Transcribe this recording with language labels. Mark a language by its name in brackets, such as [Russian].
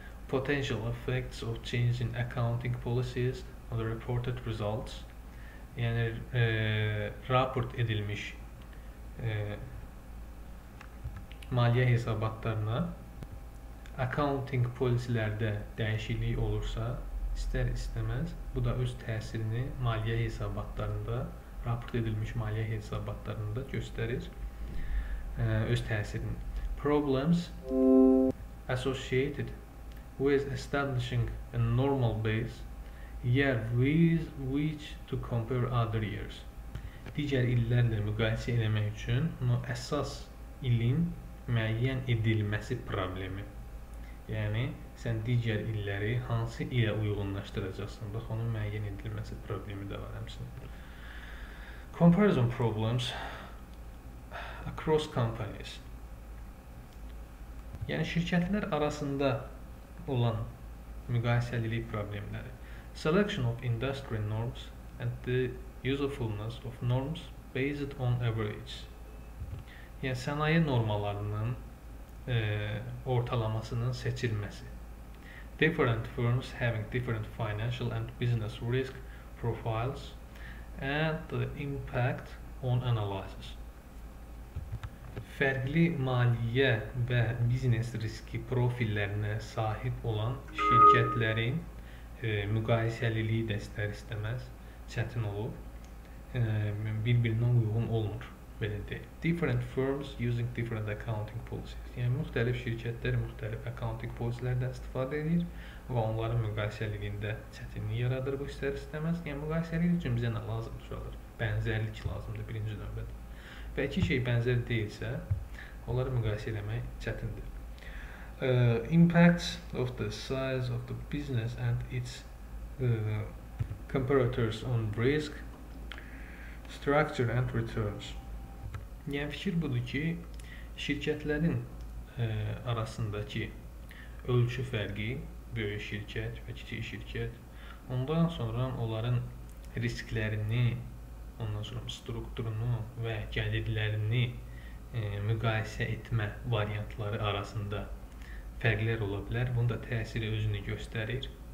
[English] Potential effects of changing accounting policies on the reported results, [Azerbaijani] yəni raport edilmiş maliyyə hesabatlarına accounting policylərdə dəyişiklik olursa, istər istəməz bu da öz təsirini maliyyə hesabatlarında, raport edilmiş maliyyə hesabatlarında göstərir öz təsirini. [English] Problems associated with establishing a normal base year with which to compare other years. [Azerbaijani] Digər illərlə müqayisə etmək üçün əsas ilin müəyyən edilməsi problemi. Yəni, sən digər illəri hansı ilə uyğunlaşdıracaqsan, bax, onun müəyyən edilməsi problemi də var həmçinin. [English] Comparison problems across companies. [Azerbaijani] Yəni, şirkətlər arasında olan müqayisəlilik problemləri. [English] Selection of industry norms and the usefulness of norms based on average. [Azerbaijani] Yəni, sənaye normalarının ortalamasının seçilməsi. [English] Different firms having different financial and business risk profiles and the impact on analysis. [Azerbaijani] Fərqli maliyyə və biznes riski profillərinə sahib olan şirkətlərin müqayisəliliyi də istər-istəməz çətin olur. Bir-birinə uyğun olmur. Belə deyək. [English] Different firms using different accounting policies. [Azerbaijani] Yəni, müxtəlif şirkətlər müxtəlif accounting policies-lərdən istifadə edir və onların müqayisəliliyində çətinlik yaradır bu istər-istəməz. Yəni, müqayisəlilik üçün bizə nə lazımdır uşaqlar? Bənzərlik lazımdır birinci növbədə. Və iki şey bənzər deyilsə, onları müqayisə eləmək çətindir. [English] Impact of the size of the business and its comparators on risk, structure and returns. [Azerbaijani] Yəni, fikir budur ki, şirkətlərin arasındakı ölçü fərqi, böyük şirkət və kiçik şirkət, ondan sonra onların risklərini, ondan sonra strukturunu və gəlirlərini müqayisə etmə variantları arasında fərqlər ola bilər. Bunda təsiri özünü göstərir.